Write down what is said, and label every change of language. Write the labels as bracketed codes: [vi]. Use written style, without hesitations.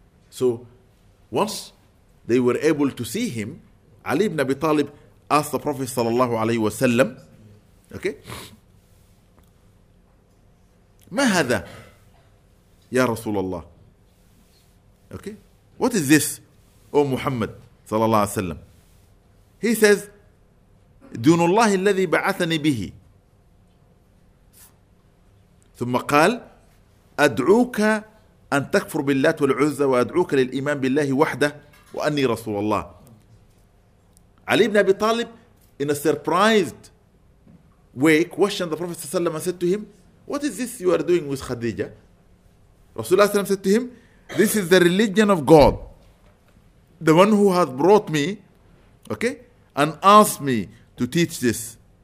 [en] So once they were able to see him, Ali ibn Abi Talib asked the Prophet sallallahu alayhi wa sallam, okay, [ar] ما هذا يا رسول الله, [en] okay, what is this, O Muhammad sallallahu alayhi wa sallam? He says, [ar] دون الله الذي بعثني به. ثم قال, أدعوك أن تكفر باللات والعزة وأدعوك للإيمان بالله وحده وأني رسول الله. [en] Ali ibn Abi Talib, in a surprised way, questioned the Prophet ﷺ and said to him, what is this you are doing with Khadija? Rasulullah ﷺ said to him, this is the religion of God, the one who has brought me, okay, and asked me to teach this.